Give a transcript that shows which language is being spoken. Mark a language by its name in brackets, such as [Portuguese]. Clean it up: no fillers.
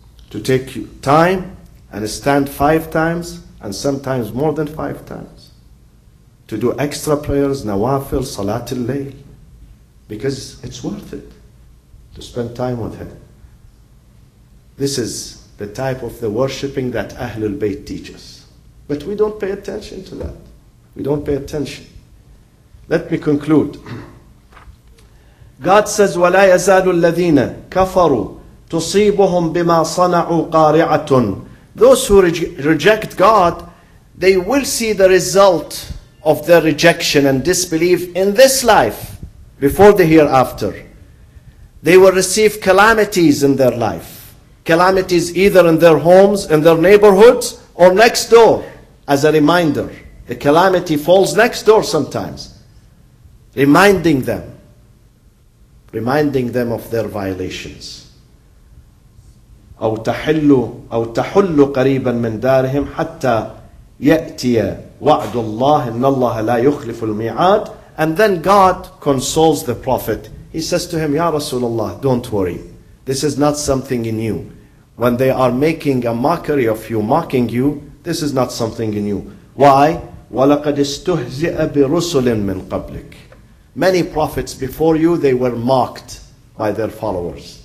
[English] To take time and stand five times, and sometimes more than five times, to do extra prayers, nawafil, salatul layl, because it's worth it to spend time with him. This is the type of the worshipping that Ahlul Bayt teaches. But we don't pay attention to that. We don't pay attention. Let me conclude. God says, [Arabic] وَلَا يَزَالُ الَّذِينَ كَفَرُوا تُصِيبُهُمْ بِمَا صَنَعُوا قَارِعَةٌ. [English] Those who reject God, they will see the result of their rejection and disbelief in this life, before the hereafter. They will receive calamities in their life. Calamities either in their homes, in their neighborhoods, or next door. As a reminder, the calamity falls next door sometimes, reminding them of their violations. [Arabic] أو تحل قريبا من دارهم حتى يأتي وعد الله إن الله لا يخلف الميعاد. [English] And then God consoles the prophet. He says to him, Ya Rasulullah, don't worry. This is not something in you. When they are making a mockery of you, mocking you, this is not something in you. Why? [Arabic] وَلَقَدْ اسْتُهْزِئَ بِرُسُلٍ مِّن قَبْلِكَ. [English] Many prophets before you, they were mocked by their followers.